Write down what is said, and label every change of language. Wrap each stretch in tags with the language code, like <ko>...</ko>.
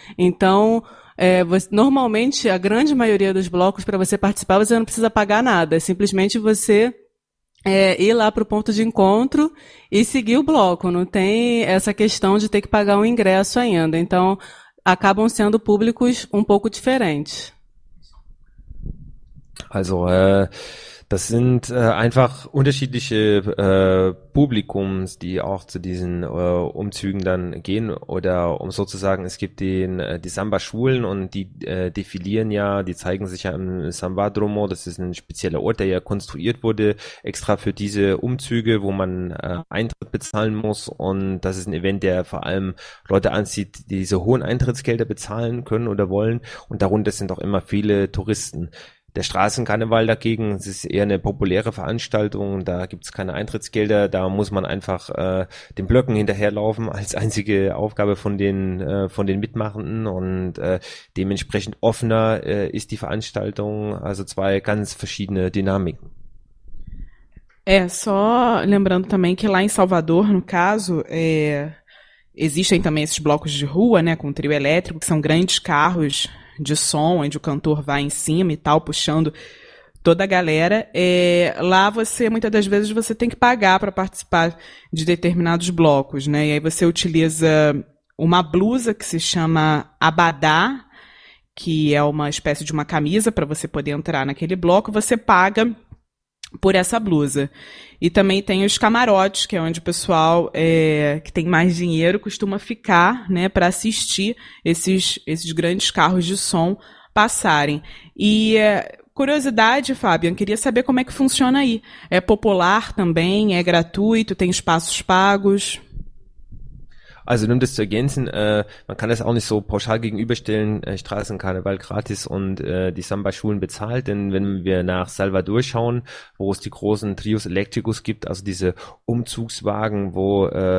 <pt>Então, normalmente, a grande maioria dos blocos, para você participar, você não precisa pagar nada. Simplesmente você ir lá para o ponto de encontro e seguir o bloco. Não tem essa questão de ter que pagar um ingresso ainda. Então, acabam sendo públicos um pouco diferentes.</pt> <de>Also, Das sind einfach unterschiedliche Publikums, die auch zu diesen Umzügen dann gehen. Oder um sozusagen, es gibt die Samba-Schulen und die defilieren ja, die zeigen sich ja im Sambadromo. Das ist ein spezieller Ort, der ja konstruiert wurde, extra für diese Umzüge, wo man Eintritt bezahlen muss. Und das ist ein Event, der vor allem Leute anzieht, die diese hohen Eintrittsgelder bezahlen können oder wollen. Und darunter sind auch immer viele Touristen. Der Straßenkarneval dagegen, es ist eher eine populäre Veranstaltung, da gibt es keine Eintrittsgelder, da muss man einfach den Blöcken hinterherlaufen als einzige Aufgabe von den Mitmachenden und dementsprechend offener ist die Veranstaltung, also zwei ganz verschiedene Dynamiken.</de> <pt>É, só lembrando também que lá em Salvador, no caso, existem também esses blocos de rua, né, com trio elétrico, que são grandes carros de som, onde o cantor vai em cima e tal, puxando toda a galera. Lá você, muitas das vezes, você tem que pagar para participar de determinados blocos, né? E aí você utiliza uma blusa que se chama abadá, que é uma espécie de uma camisa para você poder entrar naquele bloco, você paga por essa blusa. E também tem os camarotes, que é onde o pessoal que tem mais dinheiro costuma ficar, né, para assistir esses grandes carros de som passarem. E curiosidade, Fabian, queria saber como é que funciona aí. É popular também? É gratuito? Tem espaços pagos?</pt> <de>Also um das zu ergänzen, man kann das auch nicht so pauschal gegenüberstellen, Straßenkarneval gratis und die Samba-Schulen bezahlt, denn wenn wir nach Salvador schauen, wo es die großen Trios Electricus gibt, also diese Umzugswagen, wo</de>